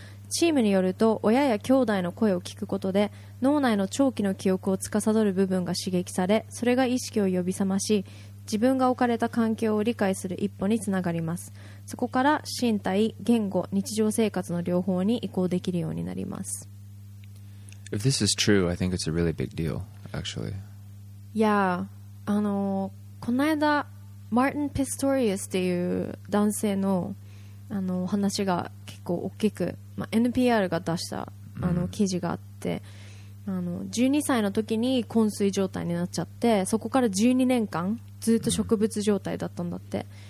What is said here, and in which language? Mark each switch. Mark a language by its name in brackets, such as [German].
[Japanese] チームによると、親や兄弟の声を聞くことで脳内の長期の記憶を司る部分が刺激され、それが意識を呼び覚まし、自分が置かれた環境を理解する一歩につながります。そこから身体、言語、日常生活の両方に移行できるようになります。 [English] If this is true, I think it's a really big deal, actually. [Japanese] Yeah, この間マーティン・ピストリウスっていう男性の、話が結構大きく、NPR が出した記事があって、あの12歳の時に昏睡状態になっちゃって、そこから12年間ずっと植物状態だったんだって。